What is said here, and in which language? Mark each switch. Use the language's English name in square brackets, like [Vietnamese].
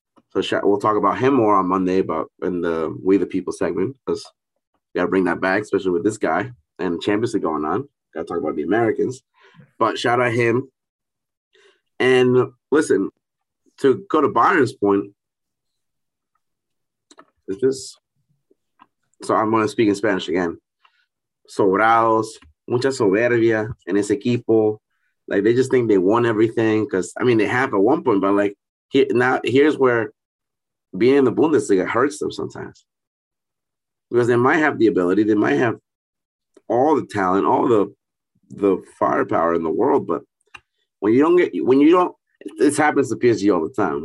[English] So we'll talk about him more on Monday, but in the We the People segment, because we got to bring that back, especially with this guy and the Champions League going on. Got to talk about the Americans. But shout out him. And listen, to go to Bayern's point, it's just – so I'm going to speak in Spanish again. [Spanish] Sobrados, mucha soberbia en ese equipo. [English] Like, they just think they won everything because, I mean, they have at one point. But, like, here's where being in the Bundesliga hurts them sometimes because they might have the ability. They might have all the talent, all the the firepower in the world. But when you don't get, when you don't, this happens to PSG all the time.